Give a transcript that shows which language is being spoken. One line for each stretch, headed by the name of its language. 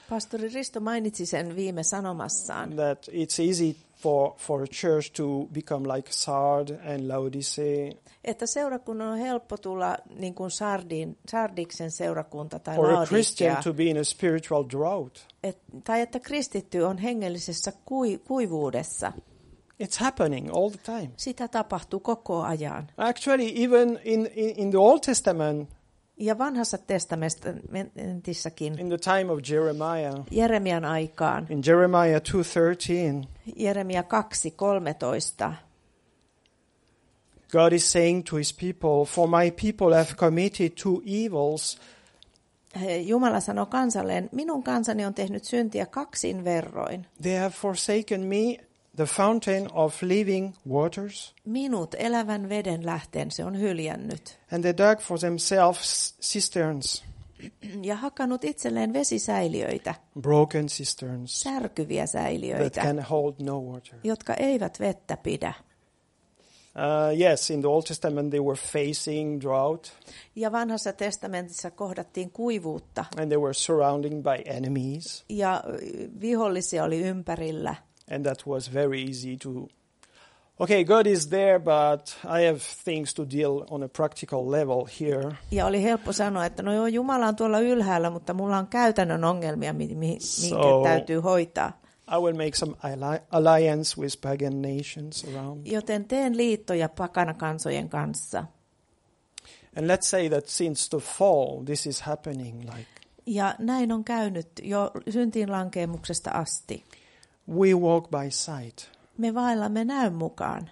Finnish: Pastori Risto mainitsi sen viime sanomassaan.
English: That it's easy for a church to become like Sard and Laodicea.
Finnish: Että seurakunnan on helppo tulla niin kuin Sardiksen seurakunta tai
English: Laodicea. Or a Christian to be in a spiritual drought.
Finnish: Tai että kristitty on hengellisessä kuivuudessa.
English: It's happening all the time.
Finnish: Sitä tapahtuu koko ajan.
English: Actually, even in the Old Testament.
Finnish: Ja vanhassa testamentissakin.
English: In the time of Jeremiah.
Finnish: Jeremian aikaan.
English: In Jeremiah 2:13.
Finnish: Jeremia 2:13.
English: God is saying to his people, for my people have committed two evils.
Finnish: Jumala sanoo kansalleen, minun kansani on tehnyt syntiä kaksin verroin.
English: They have forsaken me, the fountain of living waters.
Finnish: Minut elävän veden lähteen se on hyljännyt.
English: And they dug for themselves cisterns.
Finnish: Ja hakannut itselleen vesisäiliöitä.
English: Broken cisterns.
Finnish: Särkyviä säiliöitä.
English: That can hold no water.
Finnish: Jotka eivät vettä pidä.
English: Yes, in the Old Testament they were facing drought.
Finnish: Ja vanhassa testamentissa kohdattiin kuivuutta.
English: And they were surrounding by enemies.
Finnish: Ja vihollisia oli ympärillä.
English: And that was very easy to. Okay, God is there, but I have things to deal on a practical level here.
Finnish: Ja oli helppo sanoa, että no joo, Jumala on tuolla ylhäällä, mutta mulla on käytännön ongelmia, minkä täytyy hoitaa.
English: I will make some alliance with pagan nations around.
Finnish: Joten teen liittoja pakanakansojen kanssa.
English: And let's say that since the fall, this is happening like.
Finnish: Ja näin on käynyt jo syntiin lankeemuksesta asti.
English: We walk by sight.
Finnish: Me vaellamme näyn mukaan.